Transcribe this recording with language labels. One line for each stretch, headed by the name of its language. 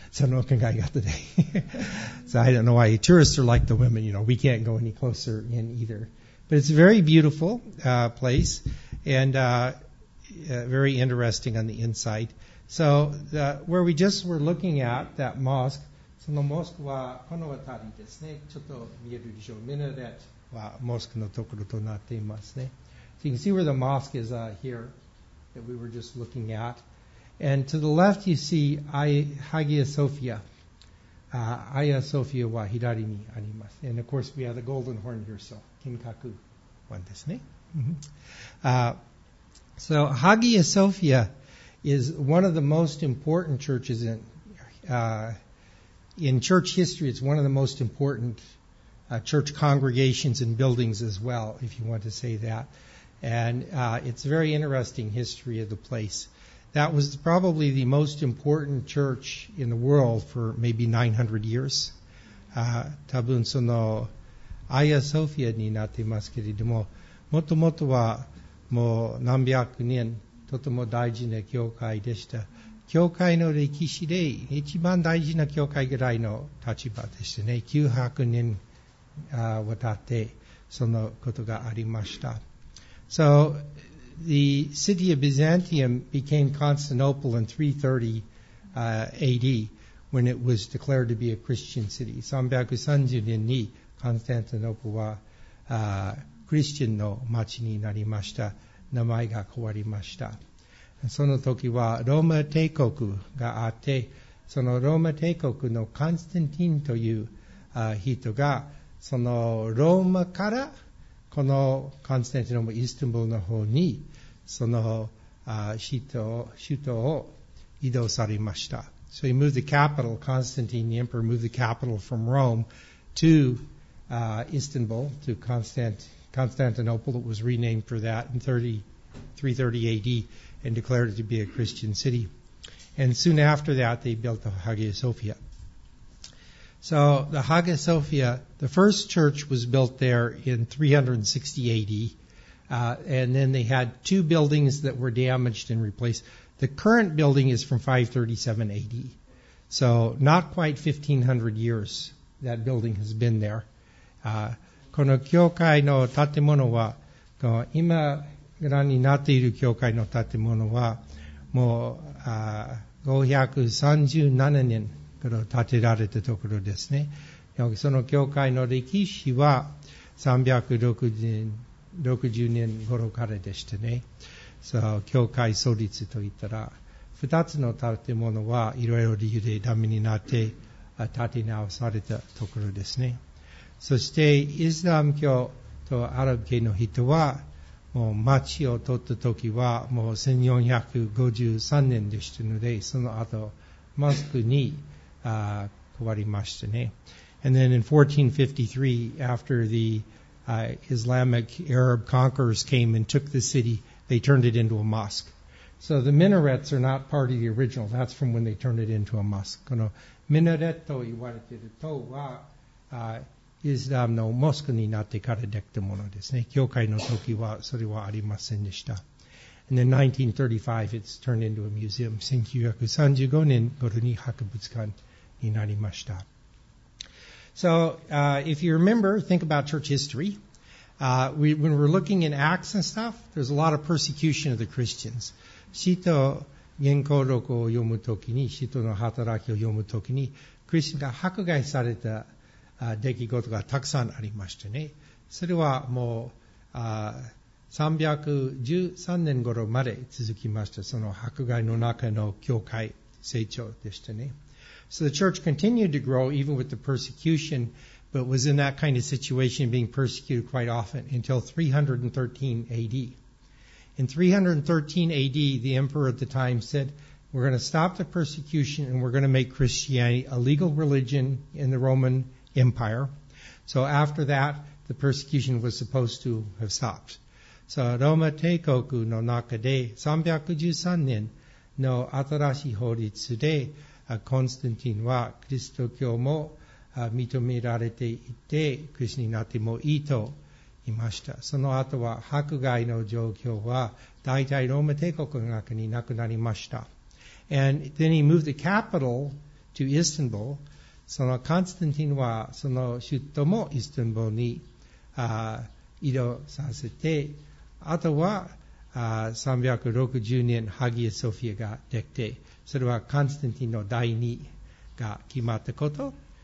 Japanese: その考え方で。
English: So, I don't know why tourists are like the women, you know, we can't go any closer in either. But it's a very beautiful place and very interesting on the inside. So, where we just were looking at that mosque,
Japanese: そのモスクはこの辺りですね。ちょっと見えるでしょう。ミナレットはモスクのところとなっていますね。
English: So, you can see where the mosque is here that we were just looking at. And to the left, you see Hagia Sophia. Hagia Sophia
Japanese: wa hirari ni arimasu.
English: And of course, we have the golden horn here, so
Japanese: Kinkaku wa desu ne.
English: So Hagia Sophia is one of the most important churches in church history. It's one of the most important church congregations and buildings as well, if you want to say that. And it's a very interesting history of the place. That was probably the most important church in the world for maybe 900 years.
Japanese: 多分そのアイアソフィアになっていますけれども、もともとはもう何百年とても大事な教会でした。教会の歴史で一番大事な教会ぐらいの立場でしたね。 900年渡ってそのことがありました。
English: So,The city of Byzantium became Constantinople in 330 AD when it was declared to be a Christian city.
Japanese: 330年にコンスタンティノープルはクリスチャンの町になりました。名前が変わりました。その時はローマ帝国があって、そのローマ帝国のコンスタンティンという人がそのローマからこのコンスタンティノープル、イスタンブールの方にその首都を移動されました。
English: So he moved the capital, Constantine, the emperor moved the capital from Rome to Istanbul, to Constantinople. It was renamed for that in 330 AD and declared it to be a Christian city. And soon after that, they built the Hagia Sophia. So the Hagia Sophia, the first church was built there in 360 AD. And then they had two buildings that were damaged and replaced. The current building is from 537 AD. So not quite 1500 years that building has been there.
Japanese: この教会の建物は、今ご覧になっている教会の建物は、もう537年から建てられたところですね。その教会の歴史は360年頃からでしたね。 So, 教会創立といったら、二つの建物はいろいろ理由でダメになって建て直されたところですね。そして、イスラム教とアラブ系の人は、もう町を取ったときはもう1453年でしたので、その後、モスクに変わりましたね。
English: And then in 1453, after theIslamic Arab conquerors came and took the city. They turned it into a mosque. So the minarets are not part of the original. That's from when they turned it into a mosque.
Japanese: このミナレットと言われている塔は、イスラムのモスクになってからできたものですね。教会の時はそれはありませんでした。
English: And then 1935, it's turned into a museum.
Japanese: 1935年頃に博物館になりました。
English: So, if you remember, think about church history. When we're looking in Acts and stuff, there's a lot of persecution of the Christians.
Japanese: 使徒言行録を読むときに、使徒の働きを読むときに、クリスチャンが迫害された出来事がたくさんありましたね。それはもう、313年頃まで続きました。その迫害の中の教会成長でしたね。
English: So the church continued to grow even with the persecution, but was in that kind of situation being persecuted quite often until 313 AD. In 313 AD, the emperor at the time said, we're going to stop the persecution and we're going to make Christianity a legal religion in the Roman Empire. So after that, the persecution was supposed to have stopped.
Japanese: So Roma Teikoku no naka de 313年の新しい法律でコンスタンティンはキリスト教も認められていて、クリスチャンになってもいいといました。その後は迫害の状況は大体ローマ帝国の中になくなりました。
English: And then he moved the capital to Istanbul.
Japanese: そのコンスタンティンはその首都もイスタンブールに移動させて、あとは360年ハギアソフィアができて、それはコンスタンティンの第二が決まったこと。